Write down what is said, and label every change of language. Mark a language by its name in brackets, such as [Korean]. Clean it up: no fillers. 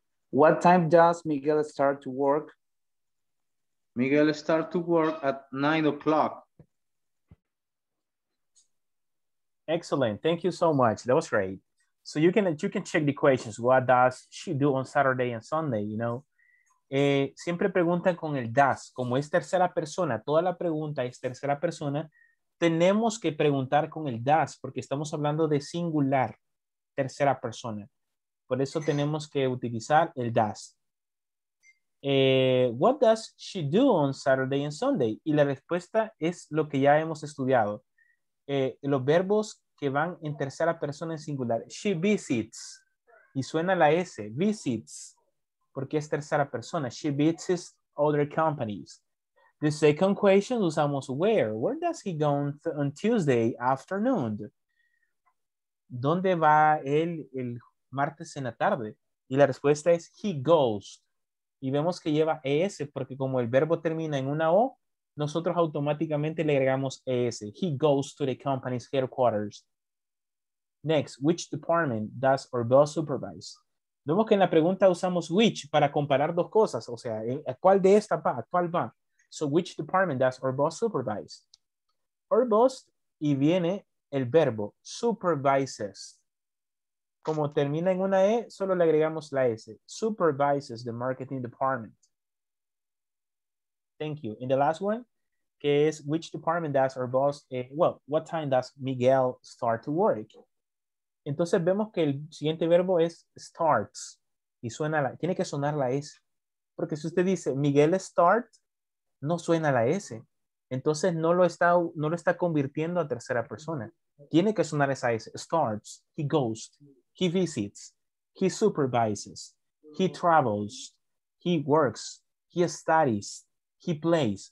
[English] What time does Miguel start to work? Miguel starts to work at 9 o'clock. Excellent. Thank you so much. That was great. So you can check the questions. What does she do on Saturday and Sunday? You know, [Spanish] siempre preguntan con el does. Como es tercera persona, toda la pregunta es tercera persona. Tenemos que preguntar con el does porque estamos hablando de singular, tercera persona. Por eso tenemos que utilizar el does. [English] What does she do on Saturday and Sunday? [Spanish] Y la respuesta es lo que ya hemos estudiado. Los verbos que van en tercera persona en singular. [English] She visits. [Spanish] Y suena la S. Visits. Porque es tercera persona. [English] She visits other companies. The second question usamos where. Where does he go on Tuesday afternoon? [Spanish] ¿Dónde va él el martes en la tarde? Y la respuesta es [English] he goes. [Spanish] Y vemos que lleva ES porque como el verbo termina en una O, nosotros automáticamente le agregamos ES. [English] He goes to the company's headquarters. Next, which department does our boss supervise? [Spanish] Vemos que en la pregunta usamos which para comparar dos cosas. O sea, ¿a cuál de esta va? ¿A cuál va? [English] So, which department does our boss supervise? Our boss, [Spanish] y viene el verbo, [English] supervises. [Spanish] Como termina en una E, solo le agregamos la S. [English] Supervises the marketing department. Thank you. And the last one, [Spanish] que es, [English] which department does our boss, what time does Miguel start to work? [Spanish] Entonces vemos que el siguiente verbo es starts. Y suena, la, tiene que sonar la S. Porque si usted dice, Miguel start, no suena la S. Entonces no lo está convirtiendo a tercera persona. Tiene que sonar esa S. [English] Starts, he goes. He visits, he supervises, he travels, he works, he studies, he plays.